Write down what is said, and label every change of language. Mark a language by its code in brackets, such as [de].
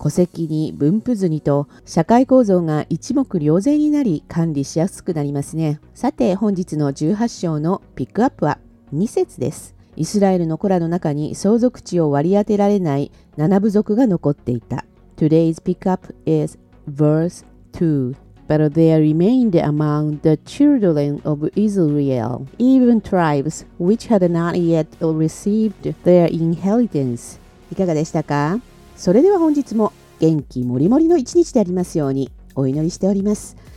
[ja] 戸籍に分布図にと社会構造が一目瞭然になり、管理しやすくなりますね。さて、本日の18章のピックアップは2節です。イスラエルの子らの中に相続地を割り当てられない7部族が残っていた。 [en] Today's pick up is verse 2. But there remained among the children of Israel even tribes which had not yet received their inheritance. [ja] いかがでしたか？それでは本日も元気もりもりの一日でありますようにお祈りしております。